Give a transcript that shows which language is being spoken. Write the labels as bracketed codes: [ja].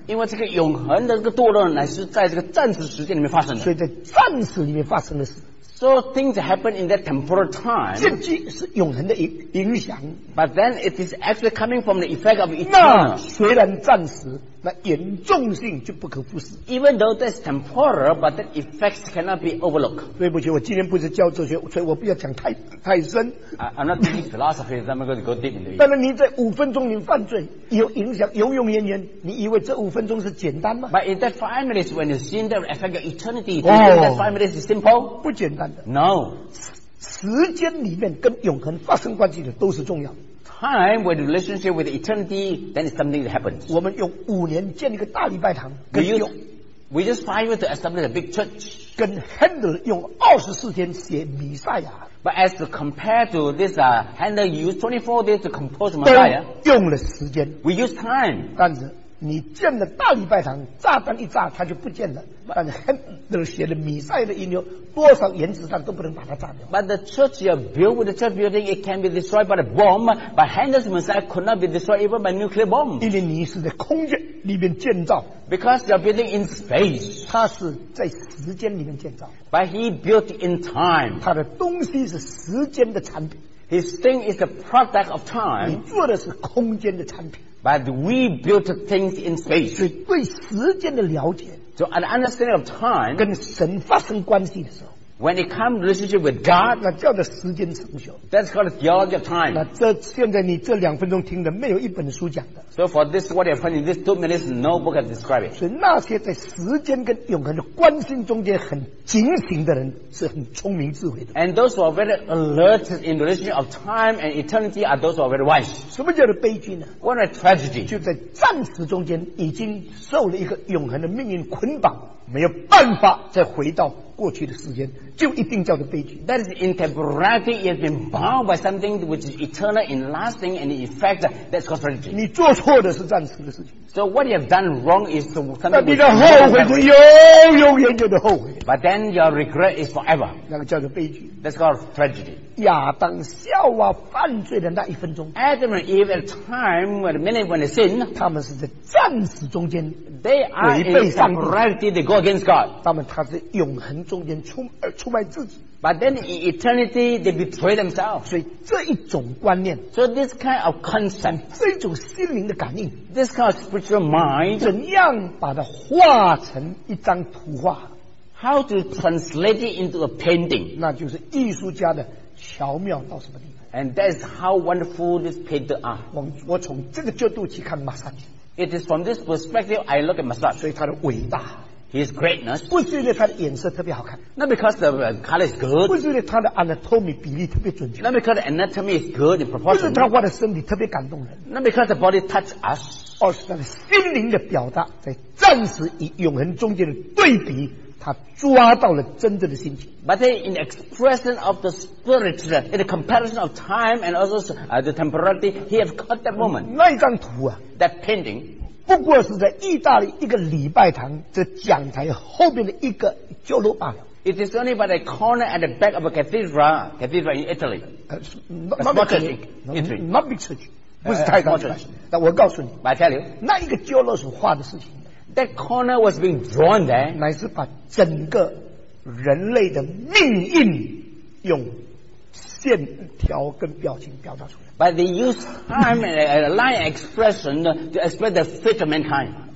[zh] 因为这个永恒的这个堕落乃是在这个暂时时间里面发生的。所以在暂时里面发生的事。 [en] So things happen in that temporal time. [zh] 这即是永恒的影响。 [en] But then it is actually coming from the effect of eternal. [zh] 那虽然暂时。那严重性就不可忽视。 [en] Even though that's temporal, but the effects cannot be overlooked. [zh] 对不起，我今天不是教哲学，所以我不要讲太深。 [en] I'm not teaching philosophy, I'm going to go deep into it. [zh] 但是你在五分钟里犯罪，有影响，永永远远，你以为这五分钟是简单吗 [en] ？But in that 5 minutes, when you see that affect your eternity, do you think that 5 minutes is simple? [zh] 不简单的。 [en] No. [zh] 时间里面跟永恒发生关系的都是重要。 [en] Time with relationship with eternity, then something happens. [zh] 我们用五年建一个大礼拜堂。 [en] We just 5 years to establish a big church. [zh] 跟 Handel 用24天写弥赛亚。 [en] But as to compare to this, Handel used 24 days to compose Messiah. [zh] 用了时间。 [en] We use time. [zh] 但是你建了大礼拜堂，炸弹一炸，它就不见了。但是 Handel 写的弥赛的音乐多少原子弹都不能把它炸掉 [en] But the church you build with the church building it can be destroyed by the bomb but Handel's Messiah could not be destroyed even by nuclear bomb [zh] 因为你是在空间里面建造 [en] Because you're building in space [zh] 他是在时间里面建造 [en] But he built in time [zh] 他的东西是时间的产品 [en] His thing is the product of time [zh] 你做的是空间的产品 [en] But we built things in space [zh] 所以对时间的了解 [en] So an understanding of time, [zh] 跟神发生关系的时候 [en] When it comes to relationship with God, [zh] 那叫做时间成熟。 [en] That's called the theology of time. [zh] 那这现在你这两分钟听的，没有一本书讲的。 [en] So for this, what you're finding, these 2 minutes, no book has described it. [zh] 所以那些在时间跟永恒的关心中间很警醒的人，是很聪明智慧的。 [en] And those who are very alert in the relationship of time and eternity are those who are very wise. [zh] 什么叫做悲剧呢 [en] ？What a tragedy! [zh] 就在暂时中间已经受了一个永恒的命运捆绑。没有办法再回到过去的时间，就一定叫做悲剧。 [en] That is in temporality, it has been bound by something which is eternal in lasting and in effect. That's called tragedy. [zh] 你做错的是暂时的事情。 [en] So what you have done wrong is something. [zh] 那你的后悔是永永远远的后悔。 [en] But then your regret is forever. [zh] 那个叫做悲剧。 [en] That's called tragedy. [zh] 亚当夏娃犯罪的那一分钟。 [en] Adam and Eve at time when the minute when they sin, [zh] 他们是在暂时中间。 [en] They are in temporality. They go against God. [zh] 他们他是永恒中间出卖自己。 [en] But then in eternity they betray themselves. [zh] 所以这一种观念 [en] So this kind of concept [zh] 这一种心灵的感应 [en] This kind of spiritual mind [zh] 怎样把它画成一张图画 [en] How to translate it into a painting [zh] 那就是艺术家的巧妙到什么地方 [en] And that is how wonderful this painter are [zh] 我从这个角度去看马萨基 [en] It is from this perspective I look at 马萨基 [zh] 所以他的伟大 [en] His greatness. [zh] 不是因为他的颜色特别好看。 [en] Not because the color is good. [zh] 不是因为他的 anatomy 比例特别准确。 [en] Not because the anatomy is good in proportion. [zh] 不是他画的身体特别感动人。 [en] Not because the body touch us. [zh] 而是他的心灵的表达，在暂时与永恒中间的对比，他抓到了真正的心情。 [en] But then in the expression of the spirit, in the comparison of time and also the temporality, he has caught that moment. [zh] 那一张图啊 [en] ，that painting. [zh] 不过是在意大利一个礼拜堂这讲台后面的一个角落罢了。 [en] It is only by the corner at the back of a cathedral in Italy. Not big church. [zh] 不是太大的。但我告诉你 [en] I tell you, [zh] 那一个角落所画的事情。 [en] That corner was being drawn there. [zh] 乃是把整个人类的命运用线条跟表情表达出来。 [en] But they use time and a line expression to express the fate of mankind.